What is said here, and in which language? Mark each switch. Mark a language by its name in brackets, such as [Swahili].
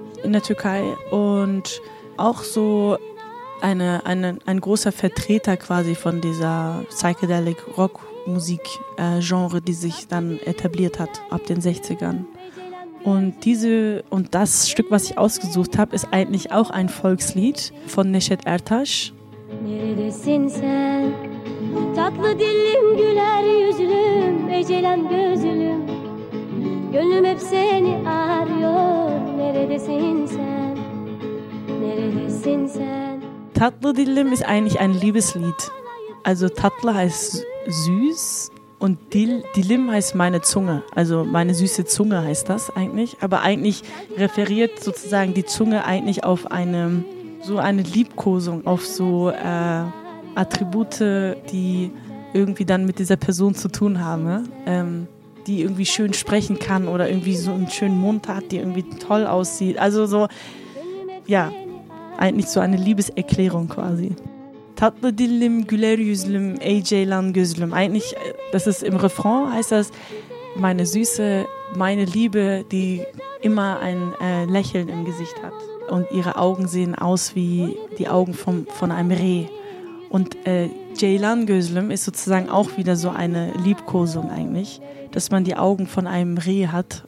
[German] in der Türkei und auch so ein großer Vertreter quasi von dieser Psychedelic Rock Musik Genre, die sich dann etabliert hat ab den 60ern. Und diese und das Stück, was ich ausgesucht habe, ist eigentlich auch ein Volkslied von Neşet Ertaş. [Turkish] Neredesin sen? Tatlı dilim, güler yüzlüm, ecelem gözlüm. Gönlüm hep seni arıyor. Neredesin sen? Neredesin sen? [German] Tatlı dilim ist eigentlich ein Liebeslied. Also tatlı heißt süß. Und Dilim heißt meine Zunge, also meine süße Zunge heißt das eigentlich. Aber eigentlich referiert sozusagen die Zunge eigentlich auf eine Liebkosung, auf so Attribute, die irgendwie dann mit dieser Person zu tun haben, ne? Die irgendwie schön sprechen kann oder irgendwie so einen schönen Mund hat, die irgendwie toll aussieht. Also so, ja, eigentlich so eine Liebeserklärung quasi. [Turkish] Tatlı dilim, güler yüzlüm, ey ceylan gözlüm. [German] Eigentlich, das ist im Refrain, heißt das, meine Süße, meine Liebe, die immer ein Lächeln im Gesicht hat. Und ihre Augen sehen aus wie die Augen von einem Reh. Und ceylan gözlüm ist sozusagen auch wieder so eine Liebkosung eigentlich, dass man die Augen von einem Reh hat.